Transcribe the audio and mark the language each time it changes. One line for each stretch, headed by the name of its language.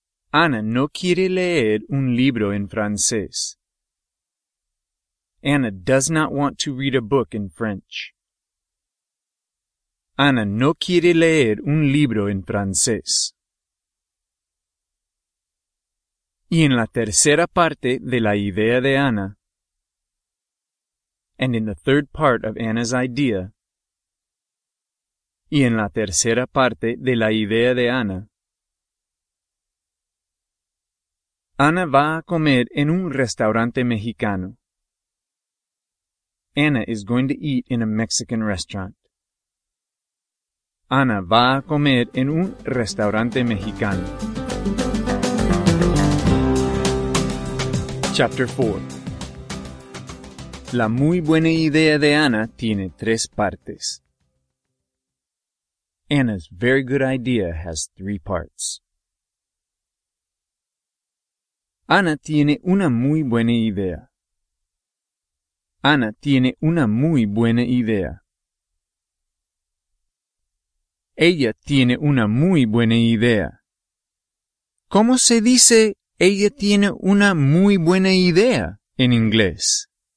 Spanish: Ana no quiere leer un libro en francés.
English: Anna does not want to read a book in French.
Spanish: Anna no quiere leer un libro en francés. Y en la tercera parte de la idea de Anna,
English: and in the third part of Anna's idea,
Spanish: y en la tercera parte de la idea de Anna, Anna va a comer en un restaurante mexicano.
English: Anna is going to eat in a Mexican restaurant.
Spanish: Anna va a comer en un restaurante mexicano.
English: Chapter 4.
Spanish: La muy buena idea de Anna tiene tres partes.
English: Anna's very good idea has three parts.
Spanish: Anna tiene una muy buena idea. Anna tiene una muy buena idea. Ella tiene una muy buena idea. ¿Cómo se dice ella tiene una muy buena idea en inglés?